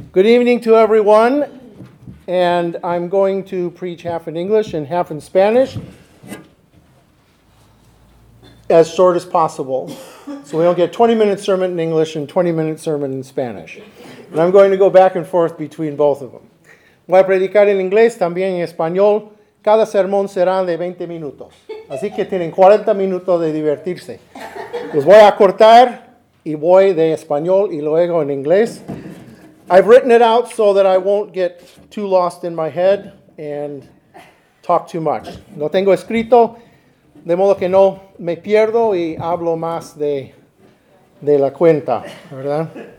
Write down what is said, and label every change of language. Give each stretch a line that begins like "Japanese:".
English: Good evening to everyone, and I'm going to preach half in English and half in Spanish, as short as possible, so we don't get 20-minute sermon in English and 20-minute sermon in Spanish. And I'm going to go back and forth between both of them.
Spanish: Voy a predicar en inglés, también en español. Cada sermón será de 20 minutos. Así que tienen 40 minutos de divertirse. Los voy a cortar y voy de español y luego en inglés.
English: I've written it out so that I won't get too lost in my head and talk too much.
Spanish: Lo tengo escrito de modo que no me pierdo y hablo más de la cuenta, ¿verdad?